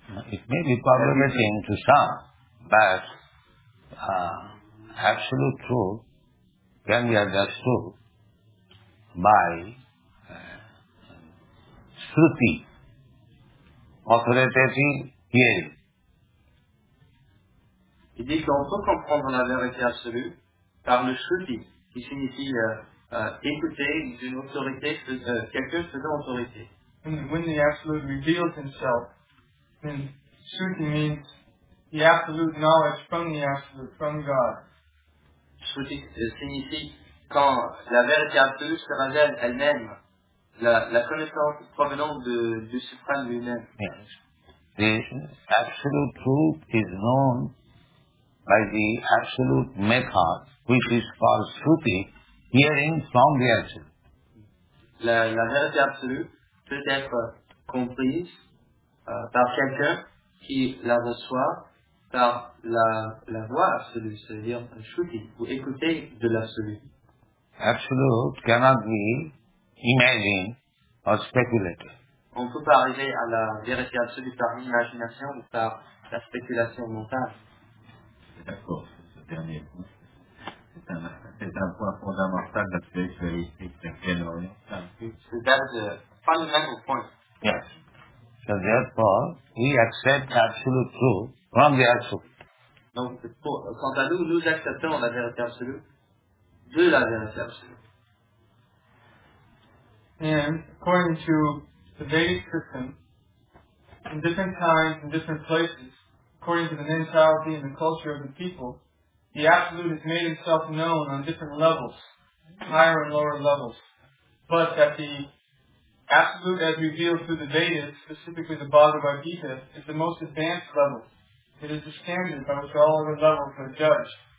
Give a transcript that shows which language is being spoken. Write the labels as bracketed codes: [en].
[en] It may be problematic to some, but absolute truth can be understood by Shruti, authoritative hearing. [fr] Il dit qu'on peut comprendre la vérité absolue par le Shruti, qui signifie écouter d'une autorité, quelqu'un faisant autorité. [en] When the absolute reveals himself, then Shruti means the absolute knowledge from the absolute, from God. [fr] Shruti signifie quand la vérité absolue se révèle elle-même, la connaissance provenant du suprême lui-même. [en] Yes. The absolute truth is known by the absolute method, which is called Shruti, hearing from the absolute. [fr] La vérité absolue peut être comprise par quelqu'un qui la reçoit par la voix absolue, c'est-à-dire un shruti, ou écouter de l'absolu. [en] Absolute cannot be imagined or speculated. [fr] On ne peut pas arriver à la vérité absolue par l'imagination ou par la spéculation mentale. D'accord, ce dernier point. C'est un point fondamental de la spiritualité chrétienne orientale. [en] That's a fundamental point. Yes. So therefore, we accept absolute truth from the absolute. [fr] Donc, quant à nous, nous acceptons la vérité absolue de la vérité absolue. [en] And according to the Vedic system, in different times, in different places, according to the mentality and the culture of the people, the absolute has made itself known on different levels, higher and lower levels, but that the absolute, as revealed through the Vedas, specifically the Bhagavad Gita, is the most advanced level. It is the standard by which all other levels are judged.